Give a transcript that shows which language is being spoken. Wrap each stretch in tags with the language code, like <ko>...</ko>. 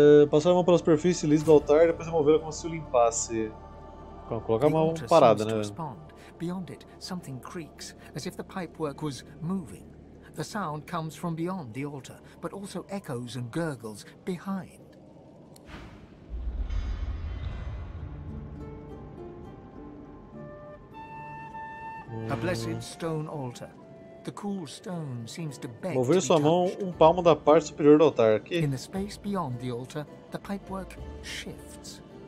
<pt>Passar a mão pela superfície lisa do altar e depois remover como se o limpasse. Coloca a mão parada, né, velho?</pt> <en>Beyond it, something creaks, as if the pipework was moving. The sound comes from beyond the altar, but also echoes and gurgles behind. A blessed stone altar. The cool stone seems to beg.</en> <pt>Mover sua mão um palmo da parte superior do altar aqui.</pt> <en>In the space beyond the altar, the pipework shifts.</en>